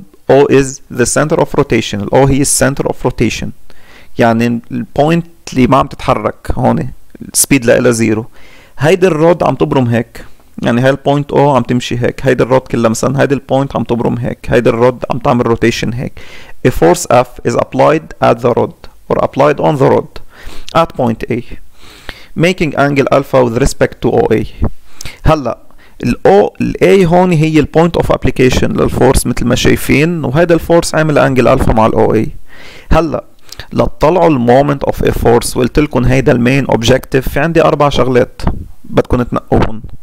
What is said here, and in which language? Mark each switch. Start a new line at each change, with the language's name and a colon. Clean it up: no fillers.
Arabic: او
English: is the centre of rotation,
Arabic: او هي السنتر اوف روتيشن، يعني البوينت اللي ما عم تتحرك هون سبيد لها زيرو. هيدا الرود عم تبرم هيك، يعني هاي البوينت او عم تمشي هيك، هيدا الرود كلها مثلا هيدا البوينت عم تبرم هيك، هيدا الرود عم تعمل روتيشن هيك.
English: A force F is applied at the rod or applied on the rod at point A making angle alpha with respect to OA.
Arabic: هلا ال O ال A هون هي البوينت اوف ابلكيشن للفورس مثل ما شايفين، وهيدا الفورس عامل انجل الفا مع ال OA. هلا لتطلعوا المومنت اوف اي فورس قلت لكم هيدا المين اوبجيكتيف، في عندي اربع شغلات بدكم تنقوهم.